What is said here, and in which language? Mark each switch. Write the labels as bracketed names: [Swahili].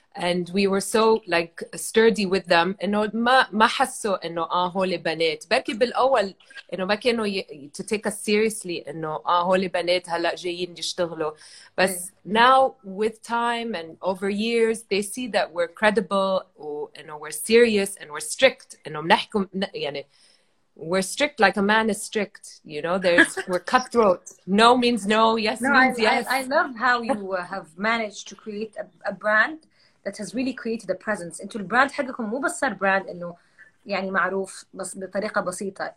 [English] And we were so like sturdy with them. [Arabic] You know, ما حسوا إنه هولي بنات. بركي بالأول إنه ما كانوا [English] to take us seriously. [Arabic] إنه هولي بنات هلا جايين يشتغلوا. [English] But now with time and over years, they see that we're credible. You know, we're serious and we're strict. You know, [Arabic] منحكم يعني [English] we're strict like a man is strict. You know, there's we're cutthroat. No means no. Yes no, means I, yes. I love how you have managed to create a brand. That has really created a presence. Into the brand, [Arabic] حقكم مو بس صار brand إنه يعني معروف بس بطريقة بسيطة.